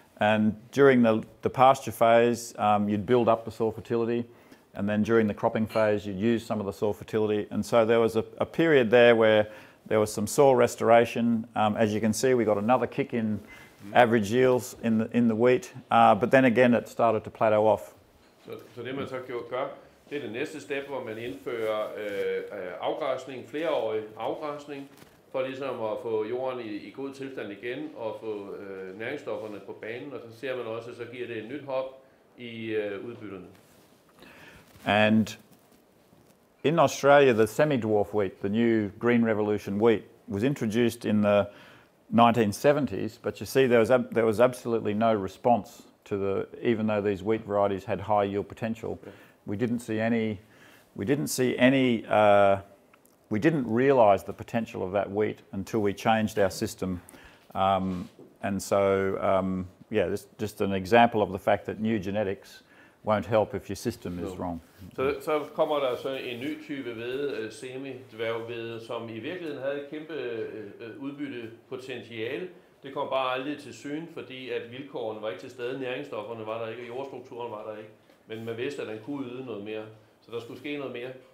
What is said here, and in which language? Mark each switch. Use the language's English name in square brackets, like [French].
[English] And during the pasture phase, you'd build up the soil fertility, and then during the cropping phase, you'd use some of the soil fertility. And so there was a period there where there was some soil restoration. As you can see, we got another kick in average yields in the wheat, but then again, it started to plateau off. [Danish] So det man så gjorde gør. Det er det næste step, hvor man indfører afgræsning, flereårig afgræsning, for ligesom at få jorden i god tilstand igen og få næringsstofferne på banen, og så ser man også, at så giver det et nyt hop i udbytterne. [English] And in Australia, the semi-dwarf wheat, the new green revolution wheat, was introduced in the 1970s, but you see there was absolutely no response to the, even though these wheat varieties had high yield potential, we didn't realize the potential of that wheat until we changed our system. This is just an example of the fact that new genetics won't help if your system is wrong. [Danish] Så kommer der så en ny type hvede, semi-dværghvede, som i virkeligheden havde et kæmpe udbyttepotentiale. Det kom bare aldrig til syn, fordi at vilkårene var ikke til stede, næringsstofferne var der ikke, og jordstrukturen var der ikke. Men man vidste, at den kunne yde noget mere. Så der skulle ske noget mere.